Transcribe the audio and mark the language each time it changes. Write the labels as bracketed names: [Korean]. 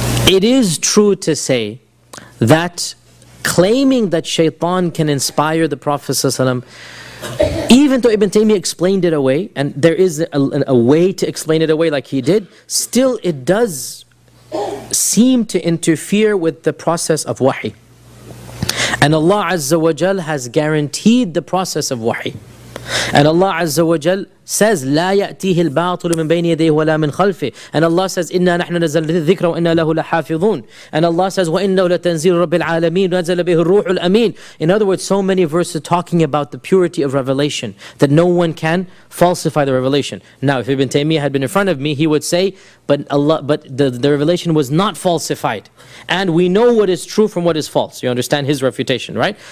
[English] It is true to say that claiming that shaitan can inspire the Prophet even though Ibn Taymiyyah explained it away, and there is a way to explain it away like he did, still it does seem to interfere with the process of wahi. And Allah Azza wa Jal has guaranteed the process of wahi. And Allah Azza wa Jal says, [Arabic] لا يأتيه الباطل من بين يديه ولا من خلفه. [English] And Allah says, [Arabic] إنا نحن نزل الذكر وإنا له لحافظون. [English] And Allah says, [Arabic] وإنه لتنزيل رب العالمين ونزل به الروح الأمين. [English] In other words, so many verses talking about the purity of revelation, that no one can falsify the revelation. Now, if Ibn Taymiyyah had been in front of me, he would say, but the revelation was not falsified. And we know what is true from what is false. You understand his refutation, right?